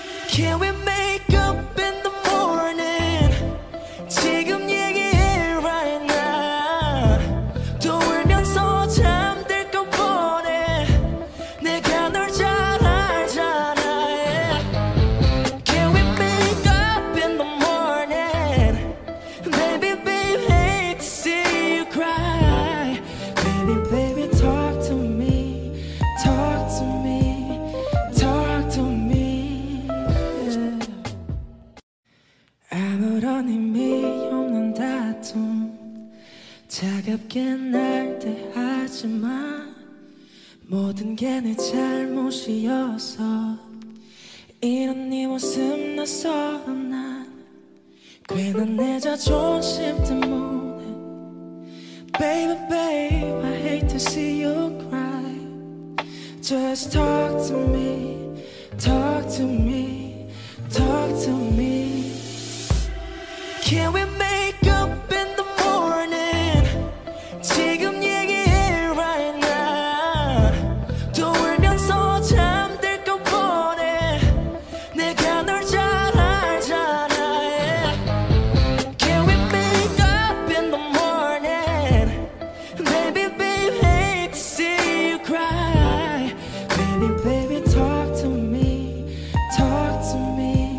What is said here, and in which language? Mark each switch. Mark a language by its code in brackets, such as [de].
[en] Can we make up in the morning [ko] 지금 얘기해 [en] right now [ko] 또 울면서 잠들 것 뻔해 내가 널 잘 알잖아 yeah. [en] Can we make up in the morning Baby baby hate to see you cry Baby baby talk to me Talk to me Talk to me yeah. [ko] 아무런 의미 없는 다툼 차갑게 날 때 하지만 모든 게 내 잘못이어서 이런 네 모습 낯설어 난 괜한 내 자존심 때문에 [en] Baby babe I hate to see you cry Just talk to me [ko] Talk to me Talk to me [en] Can we make up in the morning [ko] 지금 얘기해 [en] right now [ko] 또 울면서 잠들 것 뻔해 내가 널 잘 알잖아 yeah. [en] Can we make up in the morning Baby babe hate to see you cry Baby baby talk to me Talk to me